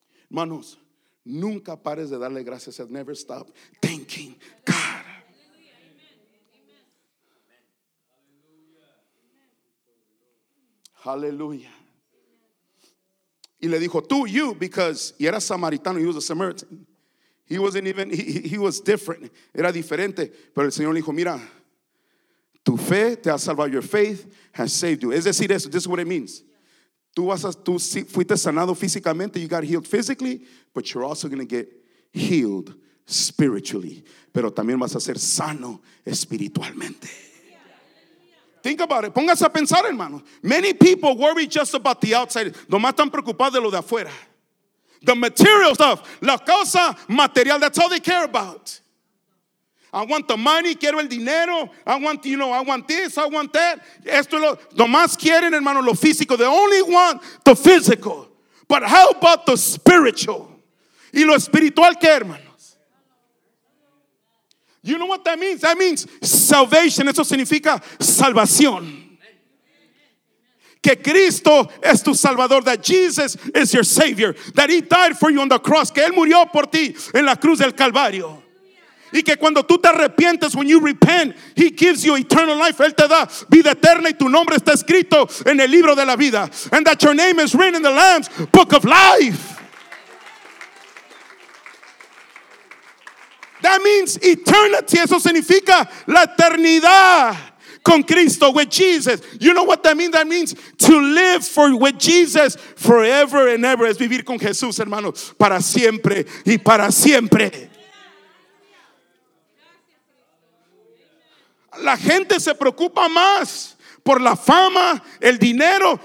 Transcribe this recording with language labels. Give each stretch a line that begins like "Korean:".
Spanish: Hermanos, nunca pares de darle gracias.
English: Never stop thanking God. Hallelujah.
Spanish: Y le dijo, tú, you, because, y era samaritano,
English: he was a Samaritan. He wasn't even, he was different.
Spanish: Era diferente. Pero el Señor le dijo, mira, tu fe te ha salvado.
English: Your faith has saved you.
Spanish: Es decir, eso,
English: this is what it means.
Spanish: Tú fuiste sanado físicamente.
English: You got healed physically, but you're also going to get healed spiritually.
Spanish: Pero también vas a ser sano espiritualmente.
English: Think about it.
Spanish: Póngase a pensar, hermano.
English: Many people worry just about the outside.
Spanish: Nomás están preocupados de lo de afuera.
English: The material stuff.
Spanish: La cosa material.
English: That's all they care about. I want the money.
Spanish: Quiero el dinero.
English: I want, you know, I want this. I want that.
Spanish: Esto lo. Nomás quieren, hermano, lo físico.
English: They only want the physical. But how about the spiritual?
Spanish: ¿Y lo espiritual qué, hermano?
English: You know what that means? That means salvation.
Spanish: Eso significa salvación. Que Cristo es tu salvador.
English: That Jesus is your savior. That he died for you on the cross.
Spanish: Que él murió por ti en la cruz del Calvario. Y que cuando tú te arrepientes,
English: when you repent, he gives you eternal life.
Spanish: Él te da vida eterna y tu nombre está escrito en el libro de la vida.
English: And that your name is written in the Lamb's book of life. That means eternity.
Spanish: Eso significa la eternidad con Cristo,
English: with Jesus. You know what that means? That means to live for with Jesus forever and ever.
Spanish: Es vivir con Jesús, hermano, para siempre y para siempre. La gente se preocupa más por la fama, el dinero.